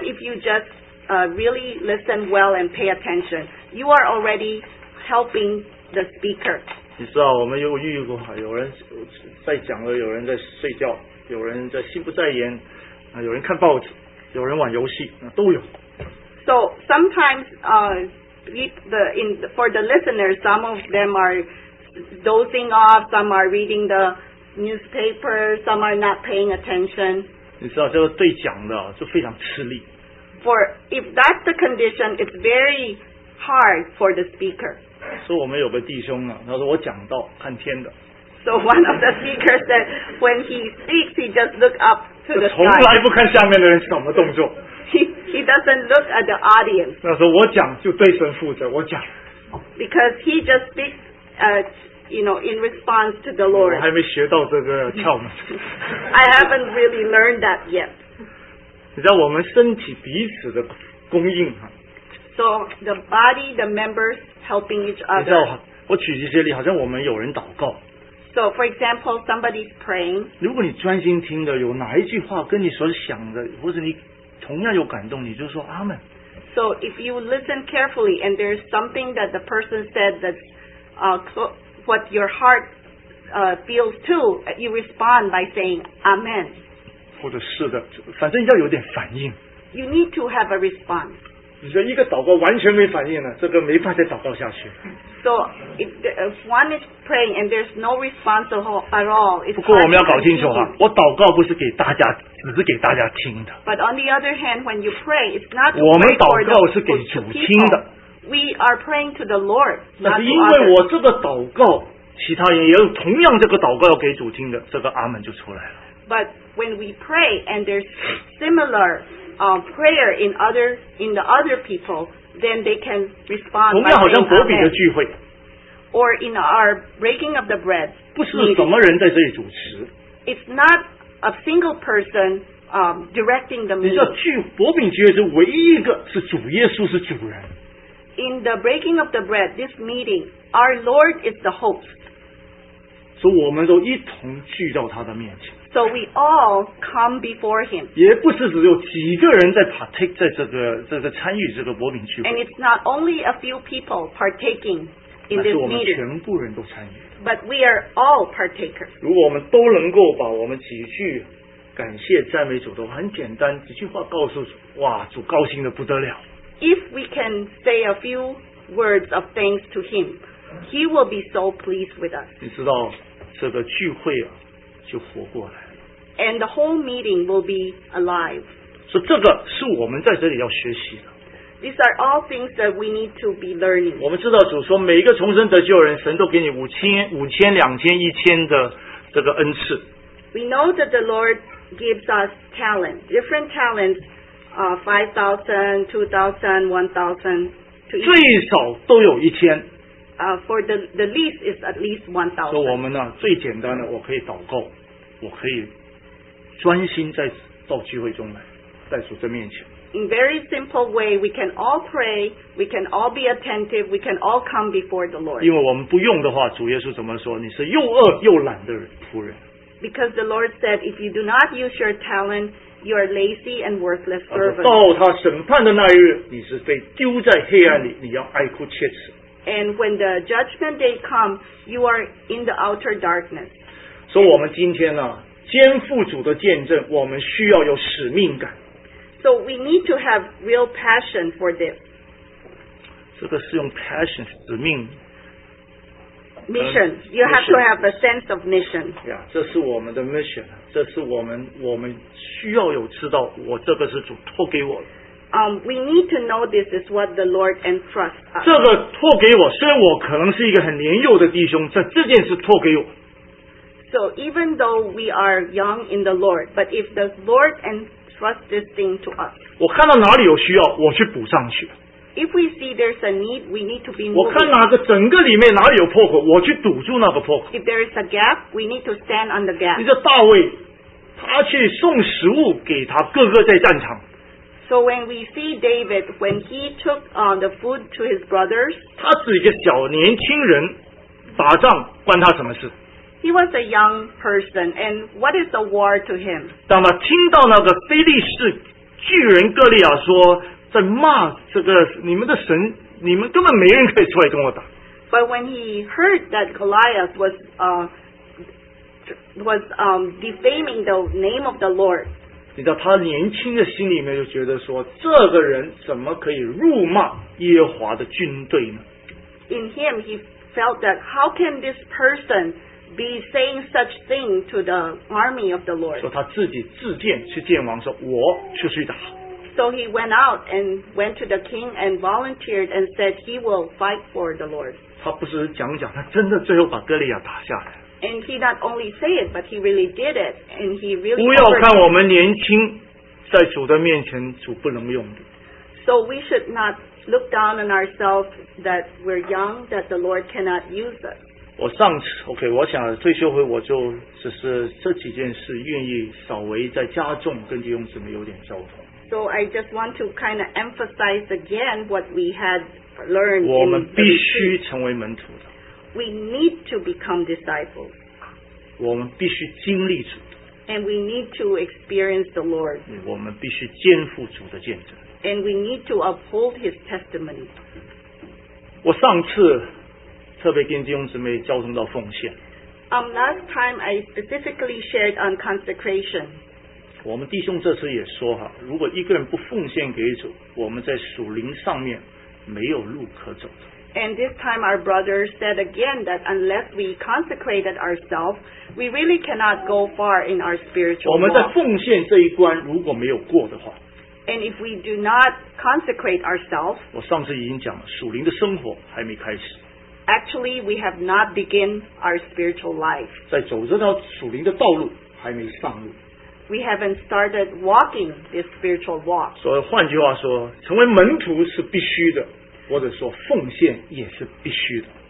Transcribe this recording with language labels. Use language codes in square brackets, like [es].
[en] if you just really listen well and pay attention, you are already helping the speaker. [zh] 你知道，我们有遇过，有人在讲了，有人在睡觉，有人在心不在焉，有人看报纸，有人玩游戏，都有。 [en] So sometimes for the listeners, some of them are dozing off, some are reading the newspaper, some are not paying attention. [zh] 你知道，这个对讲的就非常吃力。 [en] For if that's the condition, it's very hard for the speaker. [zh] 所以我们有个弟兄呢，他说我讲到看天的。 [en] So one of the speakers said, when he speaks, he just look up to the sky. [zh] 从来不看下面的人什么动作。 [en] He doesn't look at the audience. [zh] 他说我讲就对神负责，我讲。 [en] Because he just speaks, in response to the Lord. [zh] 我还没学到这个窍门。 [en] I haven't really learned that yet. [zh] 你知道我们身体彼此的供应哈。 [en] So the body, the members helping each other. [zh] 你知道我举一些例，好像我们有人祷告。 [en] So for example, somebody's praying. [zh] 如果你专心听的，有哪一句话跟你所想的，或者你同样有感动，你就说阿门。 [en] So if you listen carefully and there's something that the person said that, what your heart, feels too, you respond by saying amen. [zh] 或者是的，反正要有点反应。 [en] You need to have a response. [zh] 你说一个祷告完全没反应了，这个没法再祷告下去。 [en] So if one is praying and there's no response at all, it's [zh] 不过我们要搞清楚啊，我祷告不是给大家，只是给大家听的。 [en] But on the other hand, when you pray, it's not. [zh] 我们祷告是给主听的。 [en] We are praying to the Lord, not to others. [zh] 那是因为我这个祷告，其他人也有同样这个祷告要给主听的，这个阿门就出来了。 [en] But when we pray and there's similar. Prayer in the other people, then they can respond. [zh] 同样，好像伯比的聚会 [en] ，or in our breaking of the bread. [zh] 不是什么人在这里主持。 [en] It's not a single person directing the meeting. [zh] 你知道，伯比聚会是唯一一个是主耶稣是主人。 [en] In the breaking of the bread, this meeting, our Lord is the host. [zh] 所以我们都一同聚到他的面前。 [en] So we all come before him. [zh] 也不是只有几个人在 partake 在这个参与这个伯饼聚会。 [en] And it's not only a few people partaking in this meeting. [zh] 乃是我们全部人都参与。 [en] But we are all partakers. [zh] 如果我们都能够把我们几句感谢赞美主的话，很简单，几句话告诉主，哇，主高兴的不得了。 [en] If we can say a few words of thanks to him, he will be so pleased with us. [zh] 你知道这个聚会啊。就活过来了。 [en] And the whole meeting will be alive. [zh] 所以这个是我们在这里要学习的。 [en] These are all things that we need to be learning. [zh] 我们知道主说每一个重生得救人，神都给你5000、5000、2000、1000的这个恩赐。 [en] We know that the Lord gives us talent, different talents, 5000, 2000, 1000, 2000. [zh] 最少都有1000。 [en] For the least is at least 1,000. [zh] 所以我们呢，最简单的，我可以祷告，我可以专心在到聚会中来，在主这面前。 [en] In very simple way, we can all pray, we can all be attentive, we can all come before the Lord. [zh] 因为我们不用的话，主耶稣怎么说？你是又饿又懒的仆人。 [en] Because the Lord said, if you do not use your talent, you are lazy and worthless servant. [zh] 到他审判的那一日，你是被丢在黑暗里，你要哀哭切齿。 [en] And when the judgment day comes, you are in the outer darkness. [zh] So, 我们今天呢，肩负主的见证，我们需要有使命感。 [en] So, we need to have real passion for this. [zh] 这个是用 passion 使命。 [en] Mission. You have to have a sense of mission. [zh] Yeah, 这是我们的 mission. 这是我们需要有知道，我这个是主托给我的。 [en] We need to know this is what the Lord entrusts us. [zh] 这个托给我，虽然我可能是一个很年幼的弟兄，但这件事托给我。 [en] So even though we are young in the Lord, but if the Lord entrusts this thing to us, [zh] 我看到哪里有需要，我去补上去。 [en] If we see there's a need, we need to be moving. [zh] 我看哪个整个里面哪里有破口，我去堵住那个破口。 [en] If there is a gap, we need to stand on the gap. [zh] 你说大卫，他去送食物给他哥哥在战场。 [en] So when we see David, when he took the food to his brothers, [zh] 他是一个小年轻人，打仗关他什么事？ [en] He was a young person, and what is the war to him? [zh] 当他听到那个非利士巨人哥利亚说，在骂这个你们的神，你们根本没人可以出来跟我打。 [en] But when he heard that Goliath was defaming the name of the Lord, [zh] 你知道他年轻的心里面就觉得说，这个人怎么可以辱骂耶和华的军队呢？ [en] In him he felt that how can this person be saying such thing to the army of the Lord? [zh] 说他自己自荐去见王，说我出去打。 [en] So he went out and went to the king and volunteered and said he will fight for the Lord. [zh] 他不是讲讲，他真的最后把哥利亚打下来。 [en] And he not only said it, but he really did it. And he really. [zh] 不要看我们年轻，在主的面前，主不能用的。 [en] So we should not look down on ourselves that we're young, that the Lord cannot use us. [zh] 我上次 OK， 我想退休会我就只是这几件事，愿意稍微再加重，跟弟兄姊妹有点交通。 [en] So I just want to kind of emphasize again what we had learned. [zh] 我们必须成为门徒的。 [en] We need to become disciples. [zh] 我们必须经历主。 [en] And we need to experience the Lord. [zh] 我们必须肩负主的见证。 [en] And we need to uphold His testimony. [zh] 我上次特别跟弟兄姊妹交通到奉献。 [en] Last time I specifically shared on consecration. [zh] 我们弟兄这次也说哈，如果一个人不奉献给主，我们在属灵上面没有路可走。 [en] And this time our brother said again that unless we consecrated ourselves, we really cannot go far in our spiritual [zh] walk. 我们在奉献这一关如果没有过的话。 [en] And if we do not consecrate ourselves, [zh] 我上次已经讲了，属灵的生活还没开始。 [en] Actually, we have not begun our spiritual life. [zh] 在走这条属灵的道路还没上路。 [en] We haven't started walking this spiritual walk. [zh] 所以换句话说，成为门徒是必须的，或者说奉献也是必须的。